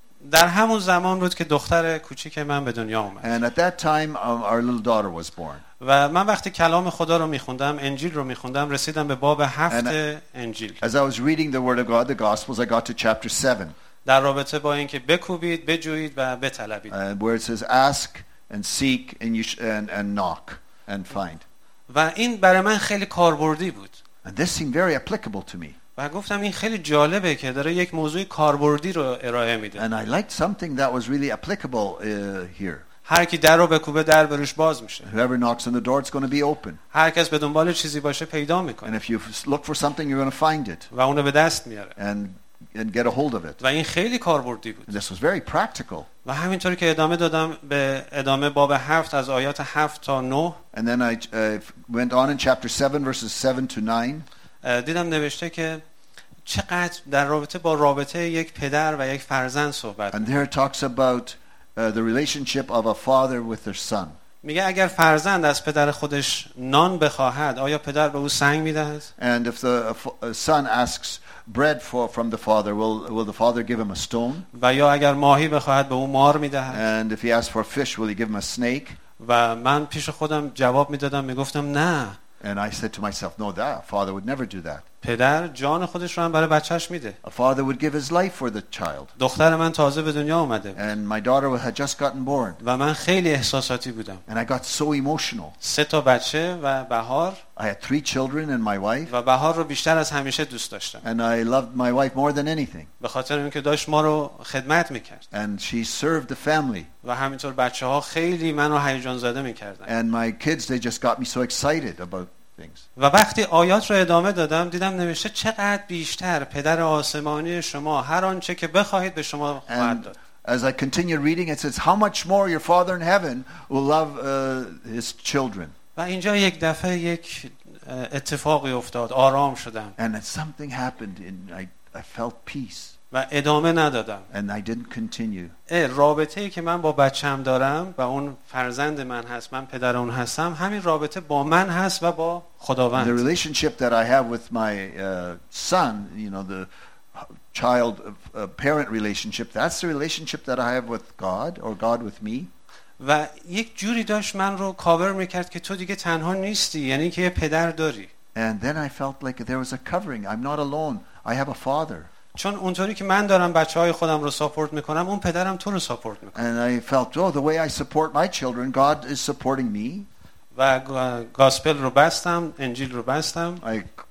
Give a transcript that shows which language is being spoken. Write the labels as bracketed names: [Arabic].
[Persian] در همون زمان بود که دختر کوچیک من به دنیا اومد. [English] And at that time our little daughter was born. [Persian] و من وقتی کلام خدا رو میخوندم، انجیل رو میخوندم، رسیدم به باب هفت انجیل. [English] As I was reading the word of God, the gospels, I got to chapter 7. [Persian] در رابطه با اینکه بکوبید، بجویید و بطلبید. [English] Where it says ask and seek and you and knock and find. [Persian] و این برای من خیلی کاربردی بود. [English] And this seemed very applicable to me. [Persian] و گفتم این خیلی جالبه که داره یک موضوع کاربردی رو ارائه میده. [English] And I liked something that was really applicable here. [Persian] هر کی در رو بکوبه در برش باز میشه. [English] Whoever knocks on the door, it's going to be open. [Persian] هر کس به دنبال چیزی باشه پیدا میکنه. [English] And if you look for something, you're going to find it. [Persian] و اونو به دست میاره. [English] And get a hold of it. [Persian] و این خیلی کاربردی بود. [English] And this was very practical. [Persian] و همینطوری که ادامه دادم به ادامه باب 7 از آیات 7 تا 9. [English] And then I went on in chapter 7 verses 7 to 9. [Persian] دیدم نوشته که چقدر در رابطه با رابطه یک پدر و یک فرزند صحبت. [English] And there talks about the relationship of a father with their son. [Persian] میگه اگر فرزند از پدر خودش نان بخواهد آیا پدر به او سنگ میدهد؟ [English] And if the son asks bread from the father, will the father give him a stone? [Persian] و یا اگر ماهی بخواهد به او مار میدهد؟ [English] And if he asks for fish, will he give him a snake? [Persian] و من پیش خودم جواب میدادم میگفتم نه. [English] And I said to myself, no, that father would never do that. [Persian] پدر جان خودش رو هم برای بچه‌ش میده. [English] A father would give his life for the child. [Persian] دختر من تازه به دنیا اومده. [English] And my daughter had just gotten born. [Persian] و من خیلی احساساتی بودم. [English] And I got so emotional. [Persian] سه تا بچه و بهار. [English] I had three children and my wife. [Persian] و بهار رو بیشتر از همیشه دوست داشتم. [English] And I loved my wife more than anything. [Persian] به خاطر اینکه داشت ما رو خدمت میکرد. [English] And she served the family. [Persian] و همینطور بچه‌ها خیلی منو هیجان زده میکردن. [English] And my kids, they just got me so excited about things. [Persian] و وقتی آیات رو ادامه دادم دیدم نوشته چقدر بیشتر پدر آسمانی شما هر آنچه که بخواهید به شما خواهد داد. [English] As I continue reading it says how much more your father in heaven will love his children. [Persian] و اینجا یک دفعه یک اتفاقی افتاد، آرام شدم. [English] And something happened and I felt peace. [Persian] و ادامه ندادم. [English] And I didn't continue. [Persian] رابطه‌ای که من با بچه‌ام دارم و اون فرزند من هست، من پدر اون هستم، همین رابطه با من هست و با خداوند. [English] The relationship that I have with my son, you know, the child parent relationship, that's the relationship that I have with God or God with me. [Persian] و یک جوری داشت من رو کاور می‌کرد که تو دیگه تنها نیستی، یعنی که یه پدر داری. [English] And then I felt like there was a covering. I'm not alone. I have a father. [Persian] چون اونطوری که من دارم بچه‌های خودم رو ساپورت می‌کنم، اون پدرم تو رو ساپورت می‌کنه. [English] And I felt, oh, the way I support my children, God is supporting me. [Persian] و گاسپل رو بستم، انجیل رو بستم.